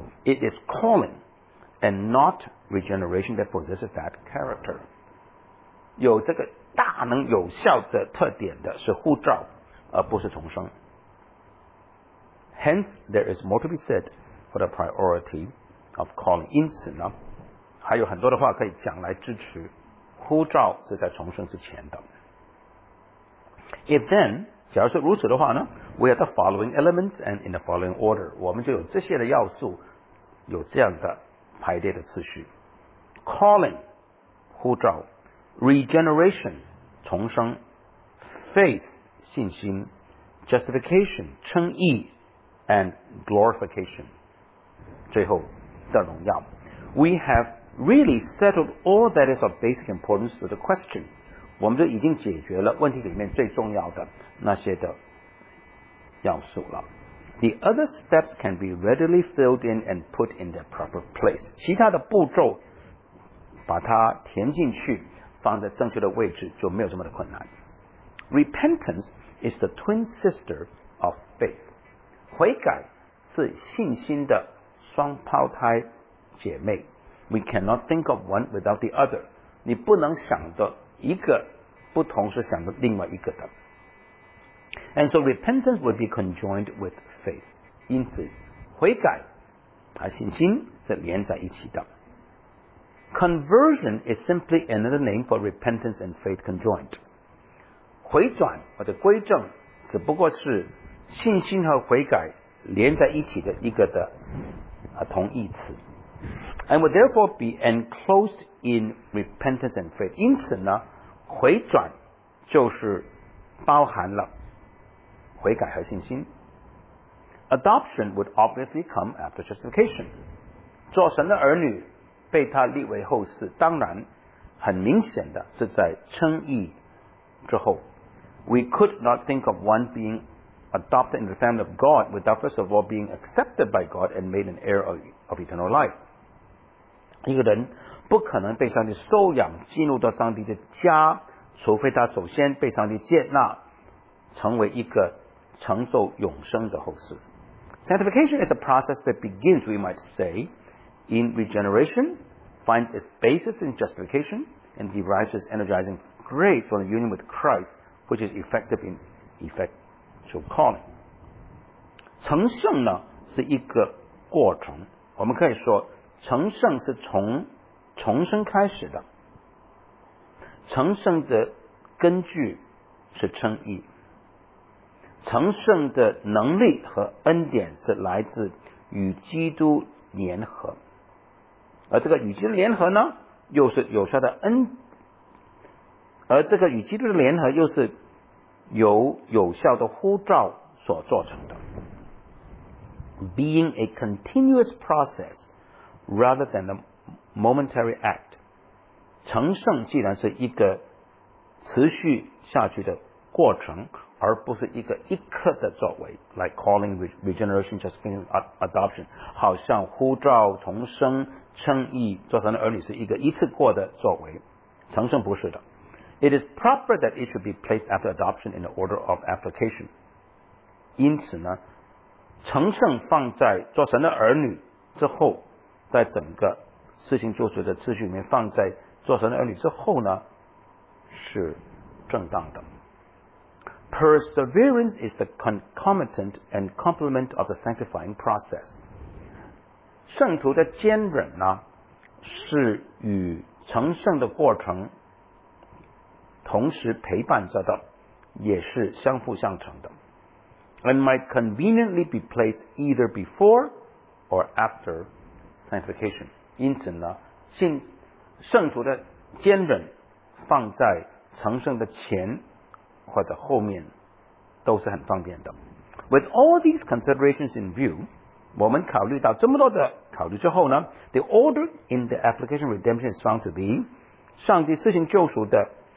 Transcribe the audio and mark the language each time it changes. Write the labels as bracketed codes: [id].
[en] It is calling and not regeneration that possesses that character. [zh] 有这个大能有效的特点的是护照，而不是重生。 [en] Hence, there is more to be said for the priority of calling. [zh] 因此呢，还有很多的话可以讲来支持呼召是在重生之前的。 [en] If then, [zh] 假如是如此的话呢， [en] we have the following elements and in the following order. [zh] 我们就有这些的要素，有这样的排列的次序。 Calling, 呼召， Regeneration, 重生， Faith, 信心， Justification, 称义， and Glorification, 最后的荣耀。 [en] We haveReally settled all that is of basic importance to the question. [zh] 我们就已经解决了问题里面最重要的那些的要素了。 [en] The other steps can be readily filled in and put in their proper place. [zh] 其他的步骤把它填进去，放在正确的位置就没有这么的困难。 [en] Repentance is the twin sister of faith. [zh] 悔改是信心的双胞胎姐妹。 [en] We cannot think of one without the other. [zh] 你不能想的一个不同时想的另外一个的。 [en] And so repentance would be conjoined with faith. [zh] 因此悔改和信心是连在一起的。 [en] Conversion is simply another name for repentance and faith conjoined. [zh] 回转或者归正只不过是信心和悔改连在一起的一个的同义词。 [en] And would therefore be enclosed in repentance and faith. [zh] 因此呢，回转就是包含了悔改和信心。 [en] Adoption would obviously come after justification. [zh] 做神的儿女，被他立为后嗣，当然很明显的是在称义之后。 [en] We could not think of one being adopted in the family of God without first of all being accepted by God and made an heir of eternal life. [zh] 一个人不可能被上帝收养进入到上帝的家，除非他首先被上帝接纳成为一个承受永生的后嗣。 [en] Sanctification is a process that begins, we might say, in regeneration, finds its basis in justification, and derives its energizing grace from the union with Christ, which is effective in effectual calling. [zh] 成圣呢是一个过程，我们可以说成圣是从重生开始的，成圣的根据是称义，成圣的能力和恩典是来自与基督联合，而这个与基督联合呢又是有效的恩，而这个与基督的联合又是由有效的呼召所做成的。 [en] Being a continuous processRather than a momentary act. [zh] 成圣既然是一个持续下去的过程，而不是一个一刻的作为 ， [en] like calling, regeneration, justification, adoption. [zh] 好像呼召、重生、称义、做神的儿女是一个一次过的作为，成圣不是的。 [en] It is proper that it should be placed after adoption in the order of application. [zh] 因此呢，成圣放在做神的儿女之后。在整个事情做出的次序里面放在做神的儿女之后呢是正当的。 [en] Perseverance is the concomitant and complement of the sanctifying process. [zh] 圣徒的坚忍呢是与成圣的过程同时陪伴着的，也是相辅相成的。 [en] And might conveniently be placed either before or afterSanctification. [zh] 因此呢，信圣徒的坚忍放在成圣的前或者后面都是很方便的。 [en] With all these considerations in view, [zh] 我们考虑到这么多的考虑之后呢 [en] ，the order in the application redemption is found to be [zh] 上帝施行救赎的